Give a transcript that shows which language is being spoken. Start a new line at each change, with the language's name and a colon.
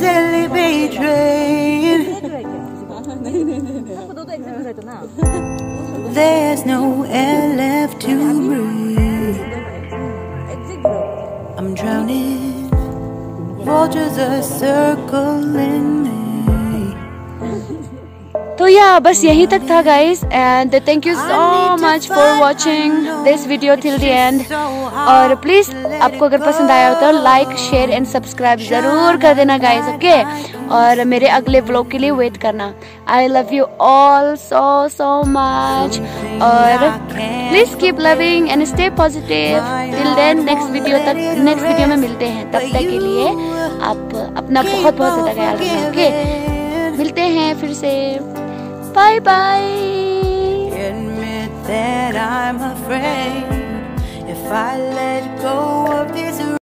English: is elevator. There's no air left to breathe. I'm drowning. Vultures are circling me.
Hindi: तो या बस यही तक था
English: Guys and thank you so much for watching this video till the end.
Hindi: और please आपको अगर पसंद आया हो तो
English: like share and subscribe
Hindi: जरूर कर देना गाइस.
English: okay
Hindi: और मेरे अगले व्लॉग के लिए वेट करना.
English: I love you all so so much और please keep loving and stay positive till then.
Hindi: Next video में मिलते हैं. तब तक के लिए आप अपना बहुत बहुत ज्यादा ख्याल रखना. ओके मिलते हैं फिर से.
English: Bye bye. Admit that I'm afraid if I let go of this.